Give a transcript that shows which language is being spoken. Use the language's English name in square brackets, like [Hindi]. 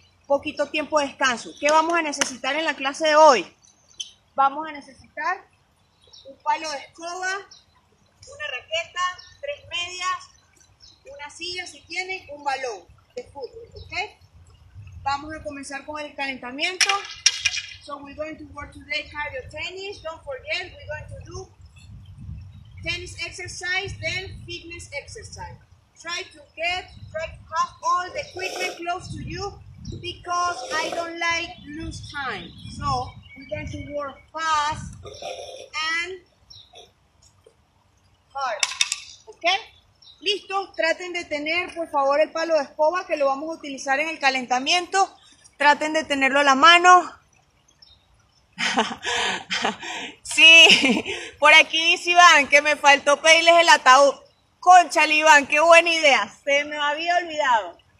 [Spanish] Poquito tiempo de descanso. ¿Qué vamos a necesitar en la clase de hoy? Vamos a necesitar un palo de escoba, una raqueta, 3 medias, una silla si tienen, un balón de fútbol, ¿ok? Vamos a comenzar con el calentamiento. [English] So we're going to work today cardio tennis. Don't forget, we're going to do tennis exercise, then fitness exercise. Try to get, have all the equipment close to you because I don't like lose time. So we're going to work fast and hard. Okay? [Spanish] Listo, traten de tener por favor el palo de escoba que lo vamos a utilizar en el calentamiento. Traten de tenerlo a la mano. Sí, por aquí dice Iván que me faltó pedirles el ataúd. Conchale, Iván, qué buena idea, se me había olvidado.